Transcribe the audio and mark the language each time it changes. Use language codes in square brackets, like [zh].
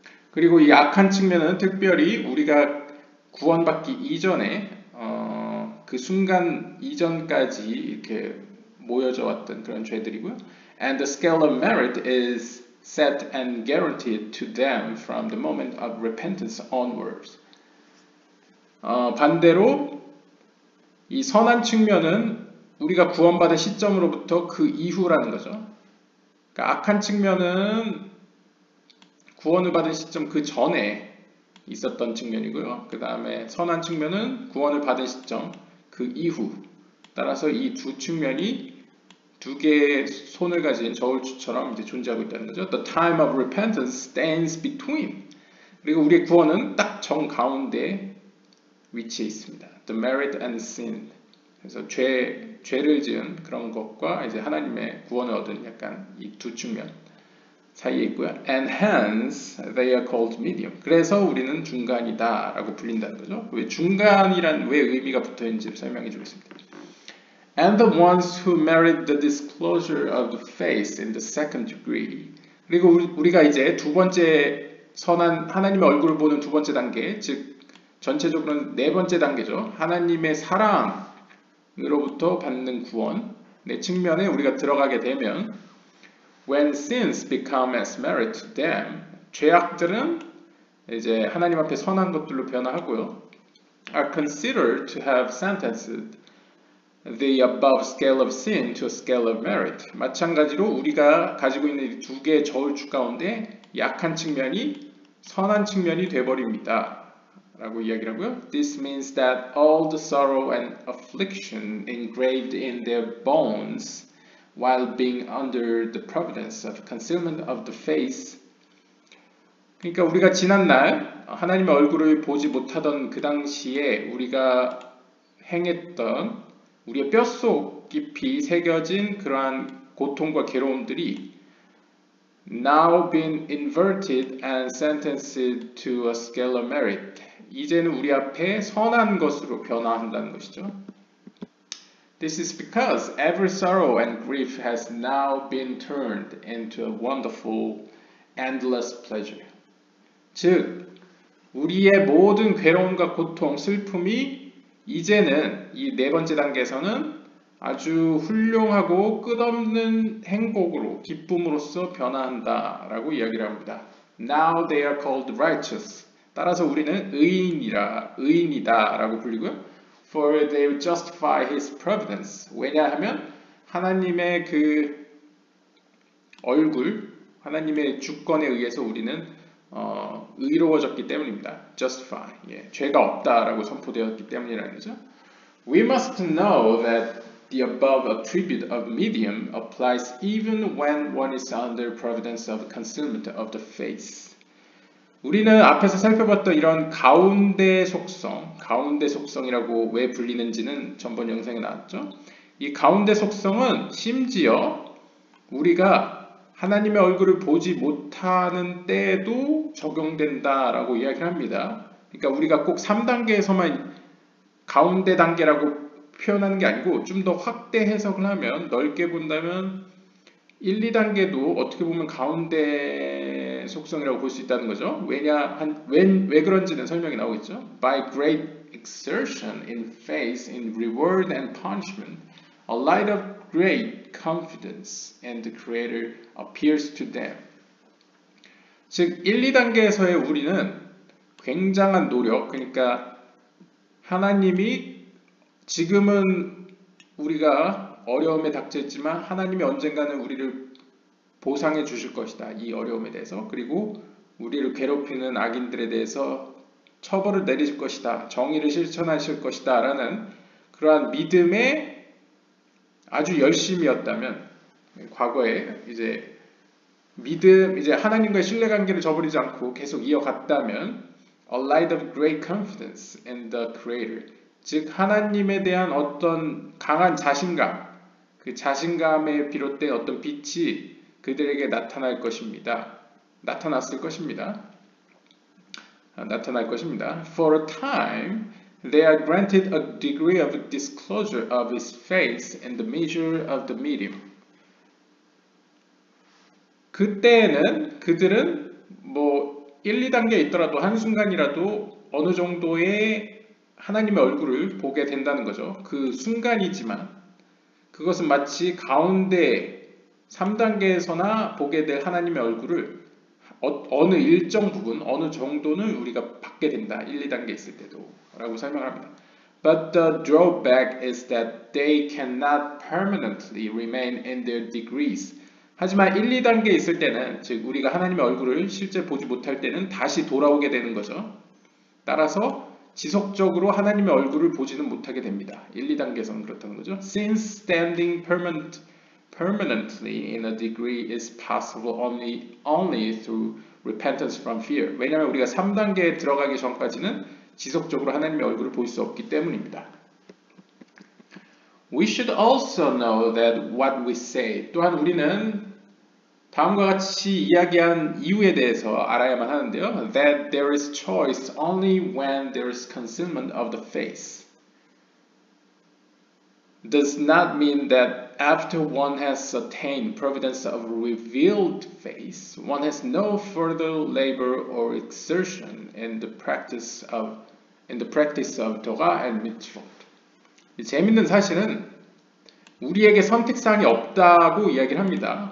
[ko] 그리고 이 악한 측면은 특별히 우리가 구원받기 이전에 그 순간 이전까지 이렇게 모여져 왔던 그런 죄들이고요. [en] And the scale of merit is set and guaranteed to them from the moment of repentance onwards. [ko] 반대로 이 선한 측면은 우리가 구원받은 시점으로부터 그 이후라는 거죠. 그러니까 악한 측면은 구원을 받은 시점 그 전에 있었던 측면이고요. 그 다음에 선한 측면은 구원을 받은 시점 그 이후. 따라서 이 두 측면이 두 개의 손을 가진 저울추처럼 이제 존재하고 있다는 거죠. [en] The time of repentance stands between. [ko] 그리고 우리의 구원은 딱 정 가운데 위치해 있습니다. [en] The merit and sin. [ko] 그래서 죄를 지은 그런 것과 이제 하나님의 구원을 얻은 약간 이 두 측면 사이에 있고요. [en] And hence they are called medium. [ko] 그래서 우리는 중간이다 라고 불린다는 거죠. 왜 중간이란 왜 의미가 붙어 있는지 설명해 주겠습니다. [en] And the ones who merit the disclosure of faith in the second degree. [ko] 그리고 우리가 이제 두 번째 선한 하나님의 얼굴을 보는 두 번째 단계, 즉 전체적으로는 네 번째 단계죠. 하나님의 사랑으로부터 받는 구원, 네 측면에 우리가 들어가게 되면 [en] When sins become as merit to them, [ko] 죄악들은 이제 하나님 앞에 선한 것들로 변화하고요. [en] Are considered to have sentenced the above scale of sin to a scale of merit. [ko] 마찬가지로 우리가 가지고 있는 두 개의 저울주 가운데 약한 측면이 선한 측면이 되어버립니다. 라고 이야기라고요. [en] This means that all the sorrow and affliction engraved in their bones while being under the providence of concealment of the face. [ko] 그러니까 우리가 지난날 하나님의 얼굴을 보지 못하던 그 당시에 우리가 행했던 우리의 뼛속 깊이 새겨진 그러한 고통과 괴로움들이 [en] now been inverted and sentenced to a scale of merit. [ko] 이제는 우리 앞에 선한 것으로 변화한다는 것이죠. [en] This is because every sorrow and grief has now been turned into a wonderful, endless pleasure. [ko] 즉, 우리의 모든 괴로움과 고통, 슬픔이 이제는 이 네 번째 단계에서는 아주 훌륭하고 끝없는 행복으로, 기쁨으로써 변화한다라고 이야기를 합니다. [en] Now they are called righteous. [ko] 따라서 우리는 의인이라, 의인이다라고 불리고요. [en] For they justify his providence. [ko] 왜냐하면 하나님의 그 얼굴, 하나님의 주권에 의해서 우리는 의로워졌기 때문입니다. [en] Justify. [ko] 예, 죄가 없다라고 선포되었기 때문이라는 거죠. [en] We must know that the above attribute of medium applies even when one is under providence of concealment of the face. [ko] 우리는 앞에서 살펴봤던 이런 가운데 속성, 가운데 속성이라고 왜 불리는지는 전번 영상에 나왔죠. 이 가운데 속성은 심지어 우리가 하나님의 얼굴을 보지 못하는 때에도 적용된다라고 이야기를 합니다. 그러니까 우리가 꼭 3단계에서만 가운데 단계라고 표현하는 게 아니고 좀 더 확대 해석을 하면 넓게 본다면 1, 2단계도 어떻게 보면 가운데 속성이라고 볼 수 있다는 거죠. 왜 그런지는 설명이 나오겠죠. [en] By great exertion in faith, in reward and punishment, a light of great confidence and the Creator appears to them. [ko] 즉, 1, 2단계에서의 우리는 굉장한 노력, 그러니까 하나님이 지금은 우리가 어려움에 닥쳤지만 하나님이 언젠가는 우리를 보상해 주실 것이다. 이 어려움에 대해서. 그리고 우리를 괴롭히는 악인들에 대해서 처벌을 내리실 것이다. 정의를 실천하실 것이다. 라는 그러한 믿음에 아주 열심이었다면 과거에 이제 믿음, 이제 하나님과의 신뢰관계를 저버리지 않고 계속 이어갔다면 [en] A light of great confidence in the Creator. [ko] 즉 하나님에 대한 어떤 강한 자신감, 그 자신감에 비롯된 어떤 빛이 그들에게 나타날 것입니다. 나타났을 것입니다. 나타날 것입니다. [en] For a time, they are granted a degree of disclosure of his face and the measure of the medium. [ko] 그때는 그들은 뭐 1, 2단계에 있더라도 한순간이라도 어느 정도의 하나님의 얼굴을 보게 된다는 거죠. 그 순간이지만 그것은 마치 가운데 3단계에서나 보게 될 하나님의 얼굴을 어느 일정 부분, 어느 정도는 우리가 받게 된다. 1, 2단계 있을 때도 라고 설명합니다. [en] But the drawback is that they cannot permanently remain in their degrees. [ko] 하지만 1, 2단계 있을 때는, 즉 우리가 하나님의 얼굴을 실제 보지 못할 때는 다시 돌아오게 되는 거죠. 따라서 지속적으로 하나님의 얼굴을 보지는 못하게 됩니다. 1, 2단계에서는 그렇다는 거죠. [en] Since standing permanently in a degree is possible only through repentance from fear. [ko] 왜냐하면 우리가 3단계에 들어가기 전까지는 지속적으로 하나님의 얼굴을 볼 수 없기 때문입니다. [en] We should also know that what we say. [ko] 또한 우리는 다음과 같이 이야기한 이유에 대해서 알아야만 하는데요. [en] That there is choice only when there is concealment of the face. does not mean that after one has attained providence of revealed faith, one has no further labor or exertion in the practice of Torah and Mitzvot. [ko] 재밌는 사실은 우리에게 선택사항이 없다고 이야기를 합니다.